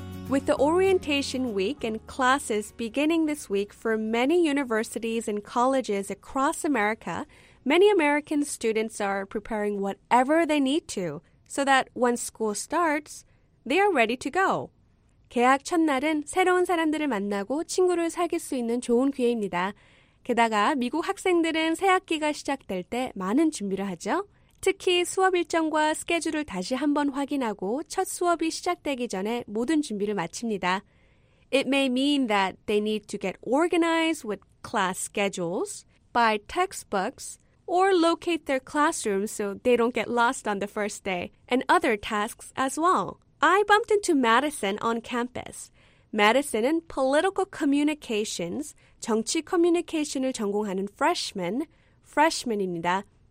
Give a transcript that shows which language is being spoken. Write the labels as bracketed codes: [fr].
[en] With the orientation week and classes beginning this week for many universities and colleges across America, many American students are preparing whatever they need to so that once school starts, they are ready to go. [ko] 개학 첫날은 새로운 사람들을 만나고 친구를 사귈 수 있는 좋은 기회입니다. 게다가 미국 학생들은 새학기가 시작될 때 많은 준비를 하죠. 특히 수업 일정과 스케줄을 다시 한번 확인하고 첫 수업이 시작되기 전에 모든 준비를 마칩니다. [en] It may mean that they need to get organized with class schedules, buy textbooks, or locate their classroom so they don't get lost on the first day, and other tasks as well. I bumped into Madison on campus. [ko] Madison은 [en] political communications, [ko] 정치 커뮤니케이션을 전공하는 freshman입니다.